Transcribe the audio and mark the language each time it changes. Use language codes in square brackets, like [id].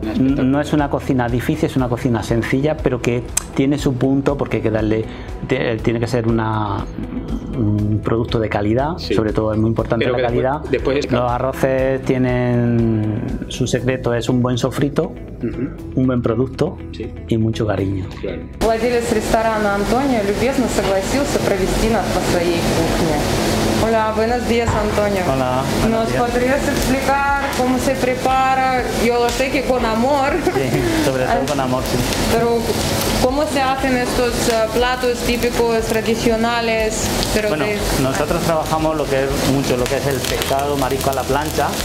[es] No es una cocina difícil, es una cocina sencilla, pero que tiene su punto porque hay que darle, tiene que ser una, un producto de calidad, sí. Sobre todo es muy importante la calidad. Después los arroces tienen su secreto, es un buen sofrito, un buen producto, sí. Y mucho cariño. Claro. [ru] Владелец ресторана Антонио любезно согласился провести нас по своей кухне. [es] Hola, buenos días, Antonio. Hola. ¿Nos podrías explicar cómo se prepara? Yo lo sé que con amor. Sí, sobre todo con amor, sí. Pero, ¿cómo se hacen estos platos típicos, tradicionales? Pero bueno, nosotros trabajamos lo que es mucho, lo que es el pescado, marisco a la plancha.